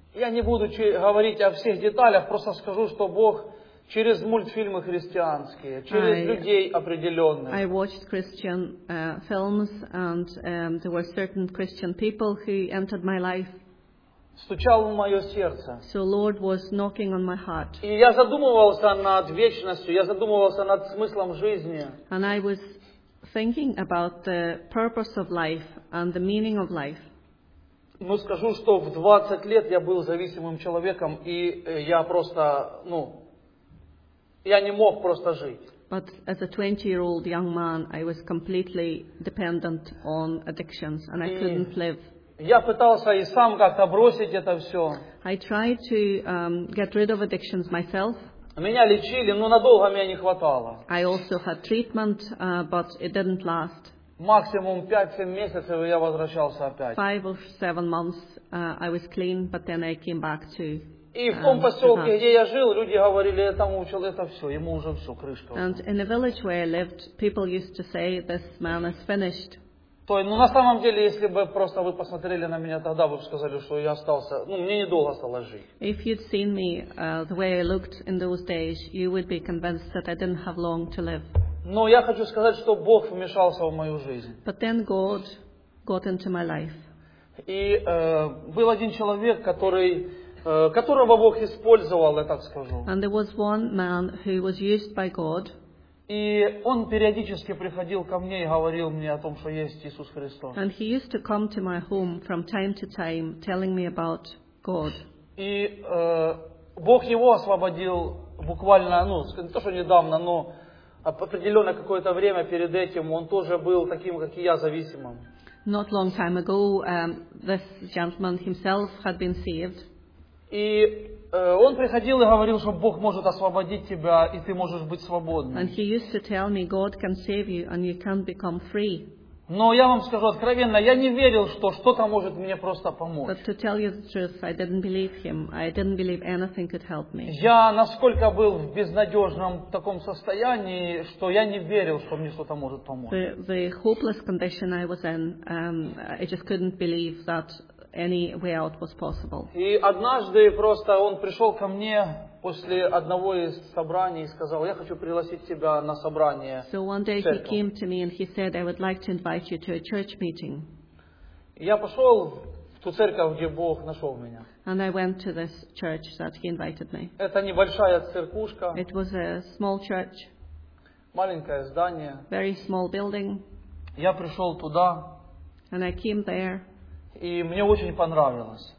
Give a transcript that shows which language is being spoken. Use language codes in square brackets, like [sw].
[ru] Я не буду говорить о всех деталях, просто скажу, что Бог через мультфильмы христианские, через людей определенных. [en] I watched Christian films and there were certain Christian people who entered my life. [ru] Стучал в мое сердце. [en] So Lord was knocking on my heart. [ru] И я задумывался над вечностью, я задумывался над смыслом жизни. [en] And I was thinking about the purpose of life and the meaning of life. [ru] Ну, скажу, что в 20 лет я был зависимым человеком, и я просто, ну, я не мог просто жить. [en] But as a 20-year-old young man, I was completely dependent on addictions, and I couldn't live. [ru] Я пытался и сам как-то бросить это все. [en] I tried to get rid of addictions myself. [ru] Меня лечили, но надолго меня не хватало. [en] I also had treatment, but it didn't last. [ru] Максимум 5-7 месяцев, и я возвращался опять. [en] 5 or 7 months, I was clean, but then I came back to. [ru] И в том поселке, где я жил, люди говорили, этому человеку это все, ему уже все, крышка. [en] And in the village where I lived, people used to say, this man is finished. [ru] То есть, ну на самом деле, если бы просто вы посмотрели на меня тогда, вы бы сказали, что я остался, ну мне недолго стало жить. [en] If you'd seen me the way I looked in those days, you would be convinced that I didn't have long to live. [ru] Но я хочу сказать, что Бог вмешался в мою жизнь. [en] But then God got into my life. [ru] И был один человек, который которого Бог использовал, я так скажу. [en] And there was one man who was used by God. [ru] И он периодически приходил ко мне и говорил мне о том, что есть Иисус Христос. [en] And he used to come to my home from time to time, telling me about God. [ru] И Бог его освободил буквально, ну, не то, что недавно, но определенно какое-то время перед этим он тоже был таким, как и я, зависимым. [en] Not long time ago, this gentleman himself had been saved. [ru] И он приходил и говорил, что Бог может освободить тебя, и ты можешь быть свободным. [en] And he used to tell me, God can save you, and you can become free. [ru] Но я вам скажу откровенно, я не верил, что что-то может мне просто помочь. [en] But to tell you the truth, I didn't believe him. I didn't believe anything could help me. [ru] Я насколько был в безнадежном таком состоянии, что я не верил, что мне что-то может помочь. [en] The hopeless condition I was in, I just couldn't believe that any way out was possible. [ru] И однажды просто он пришел ко мне после одного из собраний и сказал, я хочу пригласить тебя на собрание. [en] So one day he came to me and he said, I would like to invite you to a church meeting. [ru] Я пошел в ту церковь, где Бог нашел меня. [en] And I went to this church that he invited me. [ru] Это небольшая церкушка. [en] It was a small church. [ru] Маленькое здание. [en] Very small building. [ru] Я пришел туда. [en] And I came there. [ru] И мне очень понравилось.